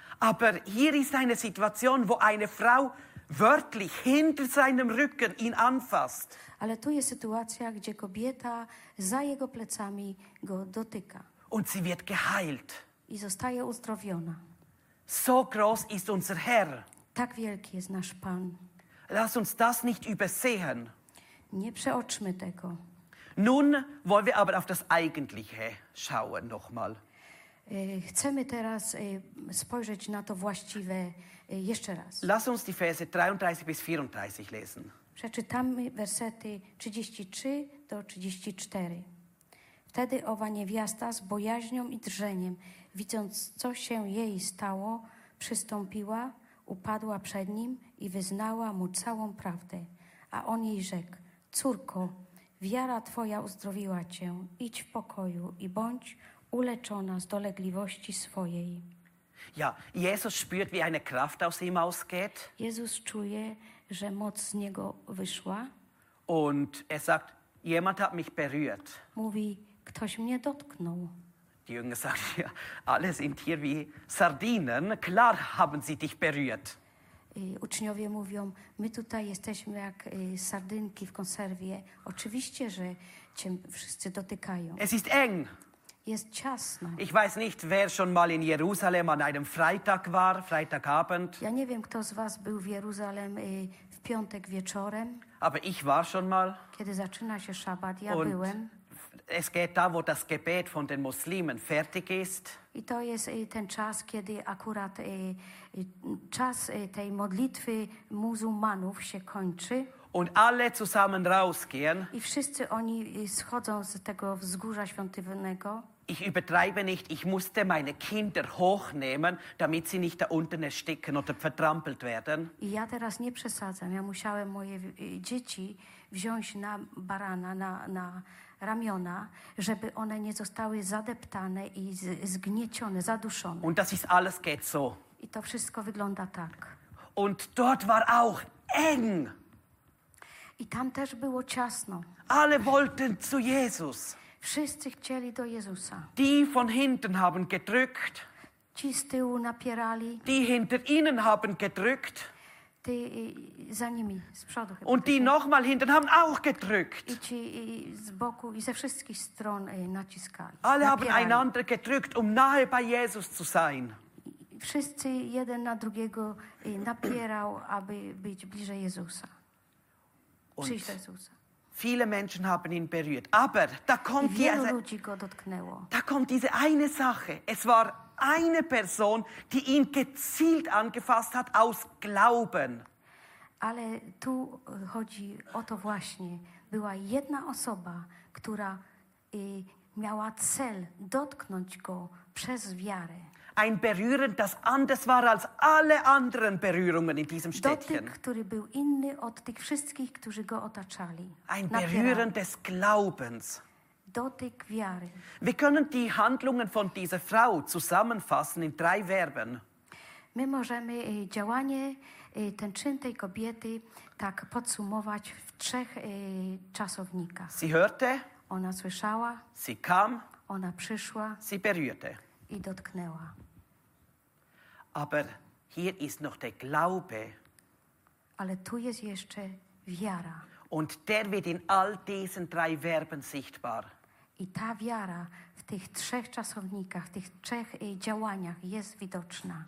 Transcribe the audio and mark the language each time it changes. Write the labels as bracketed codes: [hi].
[de] Aber hier ist eine Situation, wo eine Frau wörtlich hinter seinem Rücken ihn anfasst. [pl] Ale tu jest sytuacja, gdzie kobieta za jego plecami go dotyka. [de] Und sie wird geheilt. [pl] I zostaje uzdrowiona. [de] So groß ist unser Herr. [pl] Tak wielki jest nasz Pan. [de] Lass uns das nicht übersehen. [pl] Nie przeoczmy tego. [de] Nun wollen wir aber auf das Eigentliche schauen nochmal. [pl] Chcemy teraz spojrzeć na to właściwe jeszcze raz. [de] Lass uns die Verse 33 bis 34 lesen. [pl] Przeczytamy wersety 33 do 34. Wtedy owa niewiasta z bojaźnią i drżeniem, widząc, co się jej stało, przystąpiła, upadła przed nim i wyznała mu całą prawdę. A on jej rzekł: córko, wiara twoja uzdrowiła cię, idź w pokoju i bądź uleczona z dolegliwości swojej. [de] Ja, Jesus spürt, wie eine Kraft aus ihm ausgeht. [pl] Jezus czuje, że moc z niego wyszła. [de] Und er sagt, jemand hat mich berührt. [pl] Mówi, ktoś mnie dotknął. [de] Die Jünger sagt, ja, alle sind hier wie Sardinen. Klar haben sie dich berührt. [pl] Uczniowie mówią, my tutaj jesteśmy jak sardynki w konserwie. Oczywiście, że cię wszyscy dotykają. [de] Es ist eng. [pl] Jest ciasno. [de] Ich weiß nicht, wer schon mal in Jerusalem an einem Freitag war, Freitagabend. [pl] Ja nie wiem, kto z was był w Jerusalem w piątek wieczorem. [de] Aber ich war schon mal. [pl] Kiedy zaczyna się Szabat, ja byłem. [de] Es geht da, wo das Gebet von den Muslimen fertig ist. [pl] I to jest ten czas, kiedy akurat czas tej modlitwy muzułmanów się kończy. [de] Und alle zusammen rausgehen. [pl] I wszyscy oni schodzą z tego wzgórza świątynnego. [de] Ich übertreibe nicht, ich musste meine Kinder hochnehmen, damit sie nicht da unten ersticken oder vertrampelt werden. [pl] I ja teraz nie przesadzam, ja musiałem moje dzieci wziąć na barana, na ramiona, żeby one nie zostały zadeptane i zgniecione, zaduszone. [de] Und das ist alles geht so. [pl] I to wszystko wygląda tak. [de] Und dort war auch eng. [pl] I tam też było ciasno. [de] Alle wollten zu Jesus. [pl] Wszyscy chcieli do Jezusa. [de] Die von hinten haben gedrückt. [pl] Ci z tyłu napierali. [de] Die hinter ihnen haben gedrückt. [pl] Ty, za nimi, z przodu. [de] Und die nochmal hinten haben auch gedrückt. [pl] I ci z boku i ze wszystkich stron naciskali. [de] Alle haben einander gedrückt, um nahe bei Jesus zu sein. [pl] Wszyscy jeden na drugiego napierał, aby być bliżej Jezusa. Przyjść do Jezusa. [de] Viele Menschen haben ihn berührt, aber da kommt diese eine Sache. Es war eine Person, die ihn gezielt angefasst hat aus Glauben. [pl] Ale tu chodzi o to właśnie. Była jedna osoba, która miała cel dotknąć go przez wiarę. [de] Ein Berühren, das anders war als alle anderen Berührungen in diesem Städtchen. [pl] Dotyk, który był inny od tych wszystkich, którzy go otaczali. [de] Ein Berühren des Glaubens. [pl] Dotyk wiary. [de] Wir können die Handlungen von dieser Frau zusammenfassen in drei Verben. [pl] My możemy działanie, ten czyn tej kobiety tak podsumować w trzech czasownikach. [de] Sie hörte. [pl] Ona słyszała. [de] Sie kam. [pl] Ona przyszła. [de] Sie berührte. [pl] I dotknęła. [de] Aber hier ist noch der Glaube. [pl] Ale tu jest jeszcze wiara. [de] Und der wird in all diesen drei Verben sichtbar. [pl] I ta wiara w tych trzech czasownikach, w tych trzech działaniach jest widoczna.